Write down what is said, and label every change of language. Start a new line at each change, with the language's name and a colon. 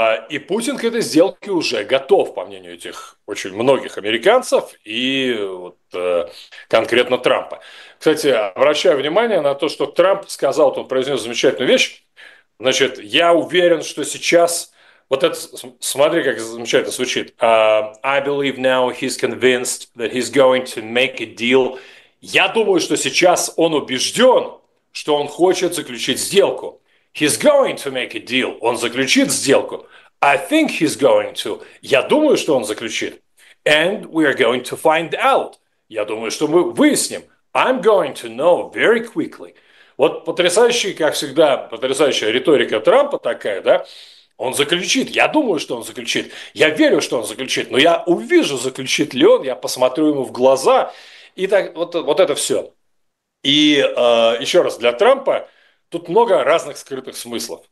Russian: И Путин к этой сделке уже готов, по мнению этих очень многих американцев и вот, конкретно Трампа. Кстати, обращаю внимание на то, что Трамп сказал, он произнес замечательную вещь. Значит, я уверен, что сейчас... Вот это, смотри, как замечательно звучит.
English: I believe now he's convinced that he's going to make a deal.
Russian: Я думаю, что сейчас он убежден, что он хочет заключить сделку.
English: He's going to make a deal.
Russian: Он заключит сделку.
English: I think he's going to.
Russian: Я думаю, что он заключит.
English: And we are going to find out.
Russian: Я думаю, что мы выясним.
English: I'm going to know very quickly.
Russian: Вот потрясающая, как всегда, потрясающая риторика Трампа такая, да? Он заключит. Я думаю, что он заключит. Я верю, что он заключит. Но я увижу, заключит ли он. Я посмотрю ему в глаза. И так вот, вот это все. И еще раз, для Трампа тут много разных скрытых смыслов.